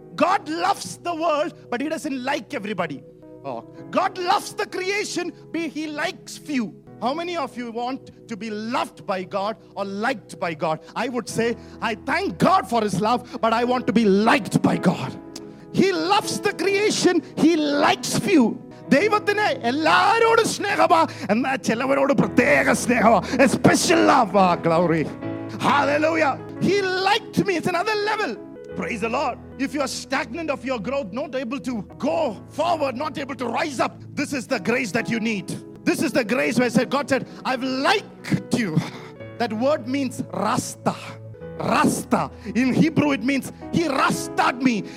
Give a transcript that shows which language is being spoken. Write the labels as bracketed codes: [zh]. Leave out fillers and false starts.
[en] God loves the world, but he doesn't like everybody. Oh. God loves the creation, but he likes few. How many of you want to be loved by God or liked by God? I would say, I thank God for his love, but I want to be liked by God. He loves the creation, he likes few. [ml] ദൈവത്തിന് എല്ലാവരോടും സ്നേഹമാ, എന്നാൽ ചിലവരോട് പ്രത്യേക സ്നേഹമാ, [en] A special love. Glory, hallelujah. He liked me. It's another level. Praise the Lord. If you are stagnant of your growth, not able to go forward, not able to rise up, this is the grace that you need. This is the grace where God said, I've liked you. That word means rasta. Rasta. In Hebrew, it means he rastad me.